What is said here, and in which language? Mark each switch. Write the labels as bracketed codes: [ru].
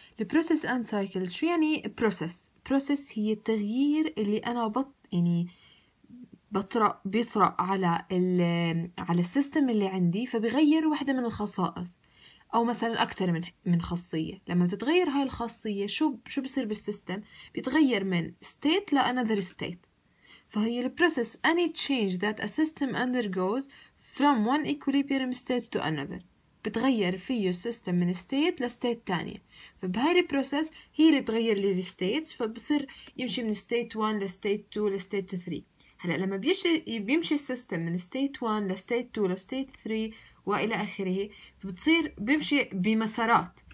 [ar] البروسيس أند سايكلز شو يعني بروسيس؟ بروسيس هي التغيير اللي أنا يعني بيطرأ على السيستم اللي عندي، فبغير واحدة من الخصائص أو مثلاً أكثر من خاصية. لما بتتغير هاي الخاصية شو بصير بالسيستم؟ بيتغير من state ل [en] another state. [ar] فهي الـ [en] process any change that a system undergoes from one equilibrium state to another. [ar] بتغير فيه السيستم من state ل state تانية. فبهاي الـ process هي اللي بتغير لـ state، فبصير يمشي من state 1 ل state 2 ل state 3. هلأ لما بيمشي السيستم من state 1 ل state 2 ل state 3 وإلى آخره، فبتصير بيمشي بمسارات.